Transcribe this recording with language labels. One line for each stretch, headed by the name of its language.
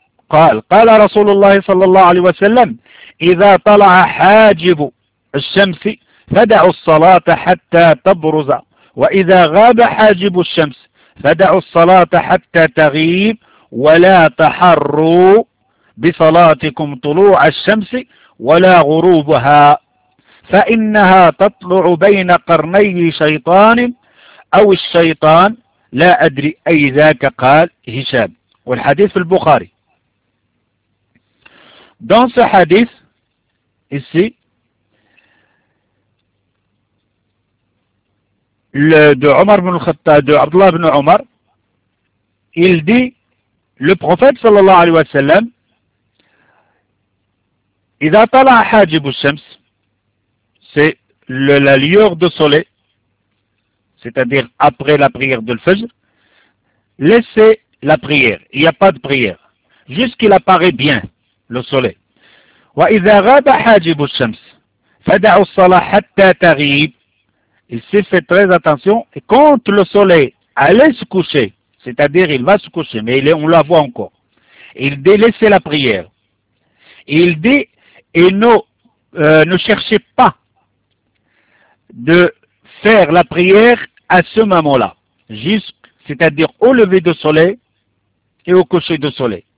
Arabic: قال قال رسول الله صلى الله عليه وسلم إذا طلع حاجب الشمس فدعوا الصلاة حتى تبرز وإذا غاب حاجب الشمس فدعوا الصلاة حتى تغيب ولا تحروا بصلاتكم طلوع الشمس ولا غروبها فإنها تطلع بين قرني شيطان أو الشيطان لا أدري أي ذاك قال هشام والحديث في البخاري.
French: Dans ce hadith ici le de عمر بن الخطاب de عبد الله بن عمر il dit le prophète صلى الله عليه وسلم
Arabic: إذا طلع حاجب الشمس
French: c'est la lueur de soleil c'est-à-dire après la prière de l'Fajr, laissez la prière. Il n'y a pas de prière. Jusqu'il apparaît bien, le soleil.
Arabic: وَإِذَا غَابَ حَاجِبُ الشَّمْسِ فَدَعُوا الصَّلَاةَ حَتَّى تَغِيبُ
French: Ici, faites très attention. Et quand le soleil allait se coucher, c'est-à-dire il va se coucher, mais on la voit encore, il dit, laissez la prière. Il dit, et ne cherchez pas de faire la prière à ce moment-là, c'est-à-dire au lever de soleil et au coucher de soleil.